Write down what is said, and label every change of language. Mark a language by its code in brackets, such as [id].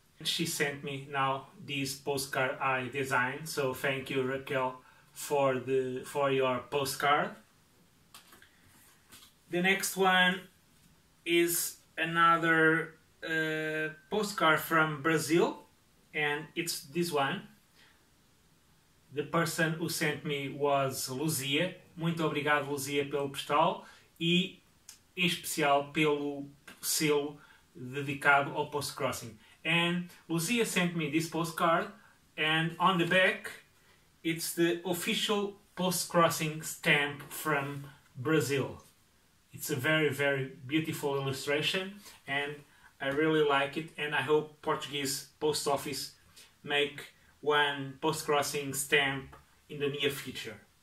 [en] She sent me now this postcard I designed, so thank you, Raquel, for your postcard. The next one is another postcard from Brazil, and it's this one. The person who sent me was Luzia. [pt] Muito obrigado, Luzia, pelo postal e em especial pelo selo dedicado ao Postcrossing. [en] And Luzia sent me this postcard, and on the back it's the official Postcrossing stamp from Brazil. It's a very, very beautiful illustration, and I really like it, and I hope Portuguese post office make one Postcrossing stamp in the near future.